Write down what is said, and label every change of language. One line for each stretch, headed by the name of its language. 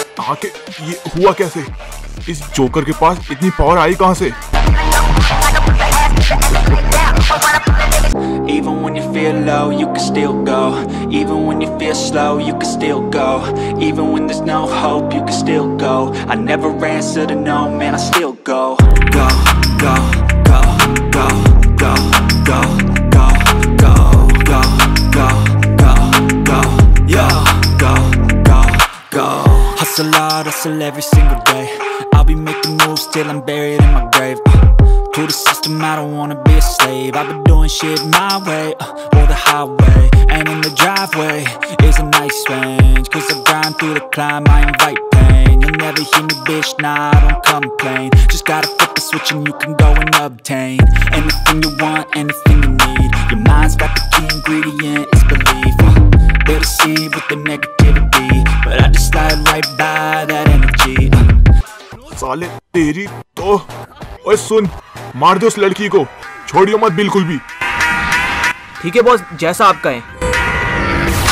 Hindi: आके ये हुआ कैसे? इस जोकर के पास इतनी पावर आई कहां से?
English: Even when you feel low, you can still go. Even when you feel slow, you can still go. Even when there's no hope, you can still go. I never answer to no, man, I still go. Go, go, go, go, go, go, go, go, go, go, go, go, yo, go, go, go. Hustle hard, hustle every single day. I'll be making moves till I'm buried in my grave. To the system, I don't wanna be a slave. I've been doing shit my way, or the highway. And in the driveway is a nice range. Cause I grind through the climb, I invite pain. You'll never hear me, bitch, nah, I don't complain. Just gotta flip the switch and you can go and obtain anything you want, anything you need. Your mind's got the key ingredient, it's belief. They're deceived with the negativity, but I just slide right by that energy.
Hindi: Saleh, teri to... ओए सुन, मार दो उस लड़की को, छोड़ियो मत बिल्कुल भी। ठीक है बॉस, जैसा आप कहें।